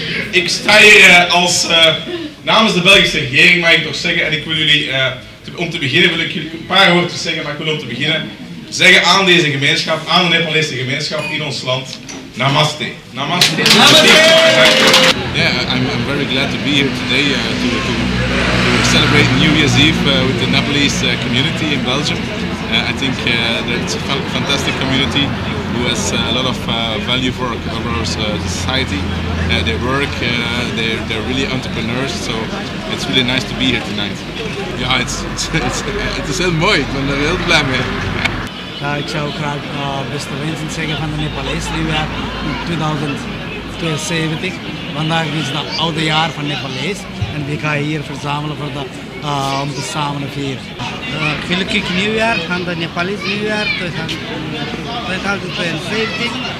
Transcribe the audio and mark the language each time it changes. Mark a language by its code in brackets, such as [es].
[nl] Ik sta hier als namens de Belgische regering, mag ik toch zeggen. En ik wil jullie, om te beginnen wil ik jullie een paar woorden zeggen, maar ik wil om te beginnen zeggen aan deze gemeenschap, aan de Nepalese gemeenschap in ons land. [ne] Namaste. Namaste. Namaste. [en] Yeah, I'm very glad to be here today to celebrate New Year's Eve with the Nepalese community in Belgium. I think it's a fantastic community who has a lot of value for our society. They work, they're really entrepreneurs, so it's really nice to be here tonight. Yeah, it's [nl] heel mooi. Ik ben er heel blij mee. Ik zou ook graag beste wensen zeggen van de Nepalese nieuwjaar 2072. Vandaag is het oude jaar van Nepalese en we gaan hier verzamelen voor de, om te samen vieren. Gelukkig nieuwjaar van de Nepalese nieuwjaar 2072.